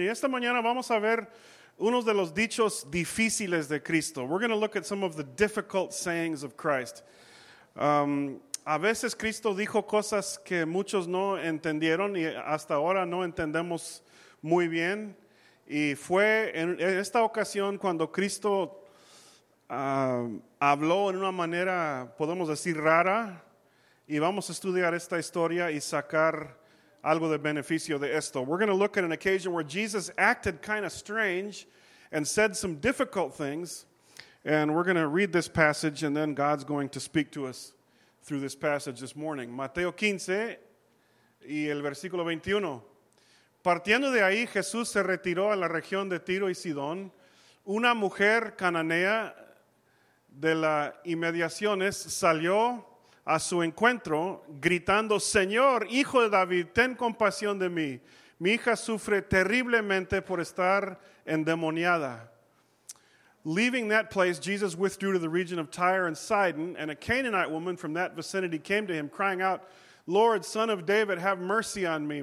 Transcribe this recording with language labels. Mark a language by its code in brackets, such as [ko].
[es] Y esta mañana vamos a ver unos de los dichos difíciles de Cristo. [en] We're going to look at some of the difficult sayings of Christ. [es] A veces Cristo dijo cosas que muchos no entendieron y hasta ahora no entendemos muy bien. Y fue en esta ocasión cuando Cristo habló en una manera, podemos decir, rara. Y vamos a estudiar esta historia y sacar algo de beneficio de esto. [en] We're going to look at an occasion where Jesus acted kind of strange and said some difficult things. And we're going to read this passage and then God's going to speak to us through this passage this morning. [es] Mateo 15 y el versículo 21. Partiendo de ahí, Jesús se retiró a la región de Tiro y Sidón. Una mujer cananea de las inmediaciones salió a su encuentro, gritando, Señor, hijo de David, ten compasión de mí. Mi hija sufre terriblemente por estar endemoniada. [en] Leaving that place, Jesus withdrew to the region of Tyre and Sidon, and a Canaanite woman from that vicinity came to him, crying out, Lord, son of David, have mercy on me.